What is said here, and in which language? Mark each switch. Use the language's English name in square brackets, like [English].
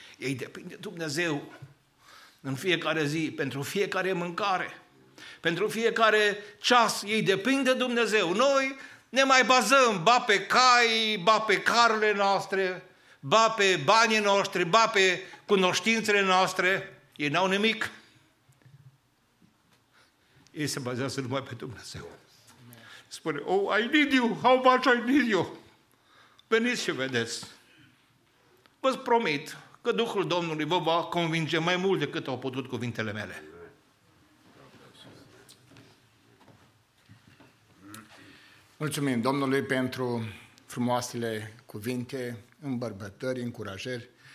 [Romanian] Ei depind de Dumnezeu în fiecare zi, pentru fiecare mâncare, pentru fiecare ceas, ei depind de Dumnezeu. Noi ne mai bazăm ba pe cai, ba pe carele noastre, ba pe banii noștri, ba pe cunoștințele noastre. Ei n-au nimic. Ei se bazează numai pe Dumnezeu. Spune, [English] oh, I need you, how much I need you. [Romanian] Veniți și vedeți. Vă promit că Duhul Domnului vă va convinge mai mult decât au putut cuvintele mele. Mulțumim Domnului pentru frumoasele cuvinte, îmbărbătări, încurajări.